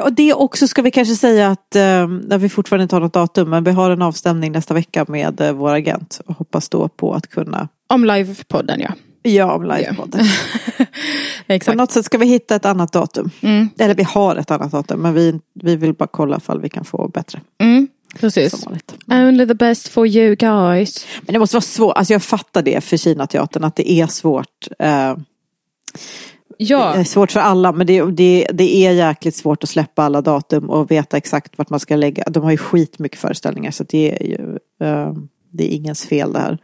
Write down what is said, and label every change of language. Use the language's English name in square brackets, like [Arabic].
[Swedish] Och det också ska vi kanske säga att när vi fortfarande inte har något datum, men vi har en avstämning nästa vecka med vår agent och hoppas då på att kunna... Om live-podden, ja. Ja, om live-podden. Exakt. På något sätt ska vi hitta ett annat datum. Mm. Eller vi har ett annat datum, men vi vill bara kolla ifall vi kan få bättre. Mm. Precis. [English] Only the best for you guys. [Swedish] Men det måste vara svårt. Alltså jag fattar det för Kinateatern, att det är svårt. Det är svårt för alla, men det är jäkligt svårt att släppa alla datum och veta exakt vart man ska lägga. De har ju skitmycket föreställningar, så det är ju... det är ingens fel det här.